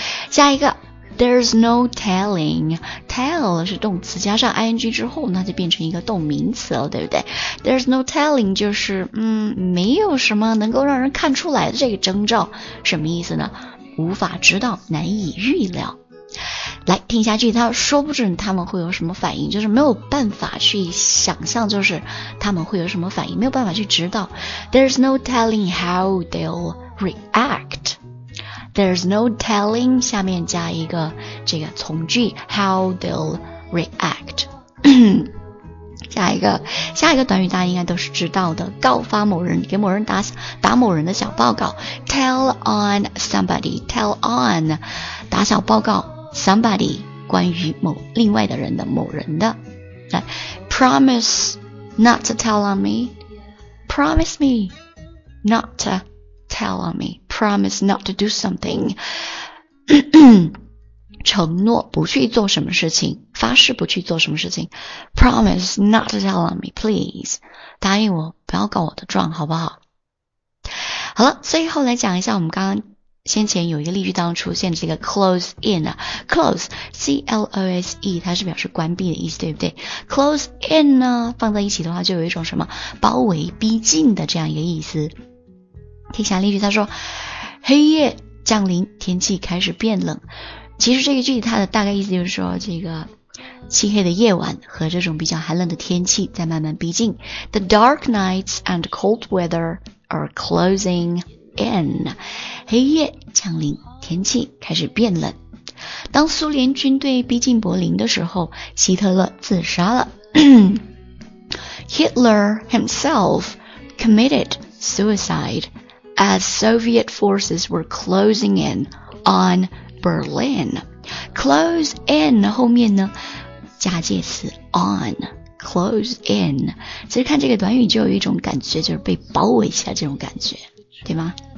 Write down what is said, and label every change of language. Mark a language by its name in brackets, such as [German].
[Chinese] 下一个 [English] There's no telling [Chinese] Tell 是动词加上 ing 之后那就变成一个动名词了对不对 There's no telling 就是没有什么能够让人看出来的这个征兆什么意思呢无法知道难以预料来听一下句，他说不准他们会有什么反应，就是没有办法去想象，就是他们会有什么反应，没有办法去知道。 [English] There's no telling how they'll react. There's no telling [Chinese] 下面加一个这个从句 [English] how they'll react. [Chinese] 下一个短语大家应该都是知道的，告发某人，给某人打某人的小报告。 [English] Tell on somebody, tell on [Chinese] 打小报告。 [English] Somebody [Chinese] 关于某另外的人的某人的，来 [English] ，promise not to tell on me, promise me not to tell on me, promise not to do something， [Chinese] 承诺不去做什么事情， [English] 发誓不去做什么事情 ，promise not to tell on me, please， [Chinese] 答应我不要告我的状，好不好？好了，最后来讲一下我们刚刚。先前有一个例句当中出现这个 close in， close C-L-O-S-E 它是表示关闭的意思，对不对？ close in 呢放在一起的话就有一种什么包围逼近的这样一个意思。听下例句，他说黑夜降临，天气开始变冷。其实这个句子它的大概意思就是说，这个漆黑的夜晚和这种比较寒冷的天气在慢慢逼近。 [English] The dark nights and cold weather are closingIn [Chinese] 黑夜降临，天气开始变冷。当苏联军队逼近柏林的时候，希特勒自杀了。 [English] Hitler himself committed suicide as Soviet forces were closing in on Berlin. [Chinese] Close in 后面呢，加介词 on。 Close in， 其实看这个短语就有一种感觉，就是被包围起来这种感觉，对吗？